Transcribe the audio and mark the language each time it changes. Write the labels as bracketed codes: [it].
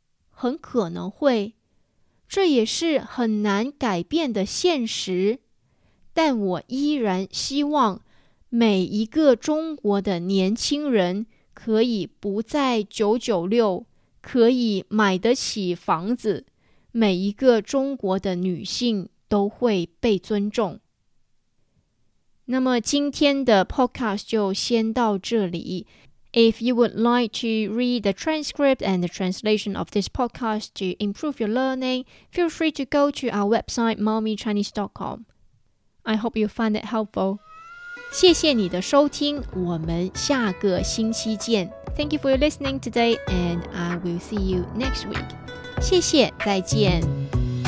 [zh] 很可能会，这也是很难改变的现实，但我依然希望每一个中国的年轻人可以不再996，可以买得起房子，每一个中国的女性都会被尊重。那么今天的 podcast 就先到这里。 [en] If you would like to read the transcript and the translation of this podcast to improve your learning, feel free to go to our website mommychinese.com. I hope you find it helpful. [zh] 谢谢你的收听，我们下个星期见。 [en] Thank you for your listening today, and I will see you next week. [zh] 谢谢，再见。